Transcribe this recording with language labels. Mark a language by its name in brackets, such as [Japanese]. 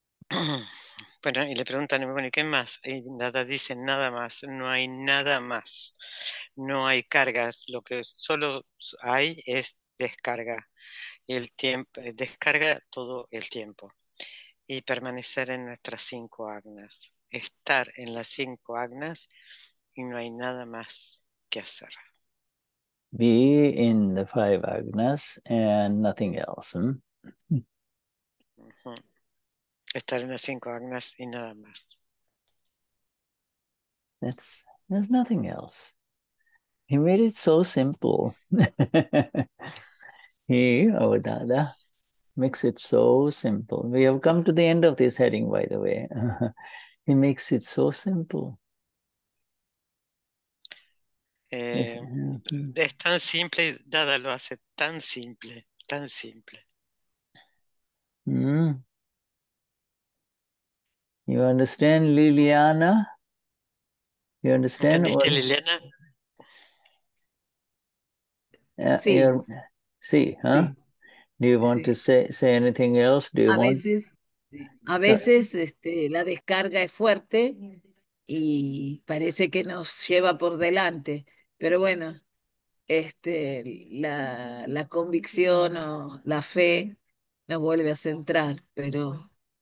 [Spanish] Bueno, y le preguntan, bueno, ¿y qué más? Y nada, dicen nada más, no hay nada más, no hay cargas, lo que solo hay es descarga, el tiempo, descarga todo el tiempo, y permanecer en nuestras cinco agnas, estar en las cinco agnas, y no hay nada más que hacer. [English] Be in the five agnas and nothing else. Hmm? Uh-huh. [Spanish] Estar en las cinco agnas y nada más. [English] That's, there's nothing else. He made it so simple. He, our Dada, makes it so simple. We have come to the end of this heading, by the way. He makes it so simple. [Spanish] Es tan simple, Dada lo hace tan simple, tan simple. Mm. [English] You understand, Liliana? You understand? [Spanish] ¿Entendiste, Liliana? Sí. Sí, huh? Sí. [English] Do you want sí. to say anything else? Do you [Spanish] a [English] want... [Spanish] veces, a veces este, la descarga es fuerte y parece que nos lleva por delante. Pero bueno, este, la convicción o la fe nos vuelve a centrar, pero...